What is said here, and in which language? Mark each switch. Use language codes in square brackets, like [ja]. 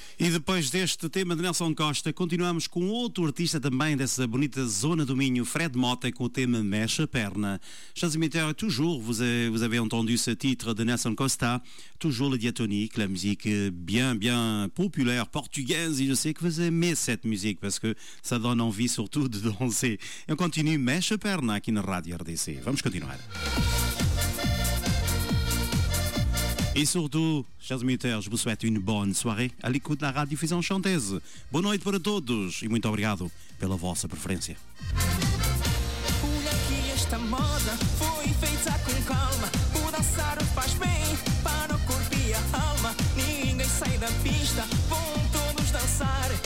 [pt] Depois deste tema de Nelson Costa, continuamos com outro artista também dessa bonita zona do Minho, Fred Mota, com o tema Mexe a Perna. [fr] Transmitter, toujours, vous avez entendu ce titre de Nelson Costa, toujours la diatonique, la musique bien, bien populaire, portugaise, et je sais que vous aimez cette musique, parce que ça donne envie surtout de danser. [pt] Eu continuo Mexe a Perna aqui na Rádio RDC. Vamos continuar. [fr] Et surtout, chers auditeurs, je vous souhaite une bonne soirée à l'écoute de la Radio Fusion Chantaise. Bonne nuit pour tous et [pt] muito obrigado pela vossa preferência. Olha que esta moda foi feita com calma. O dançar faz bem para o corpo e a alma. Ninguém sai da pista, vão todos dançar.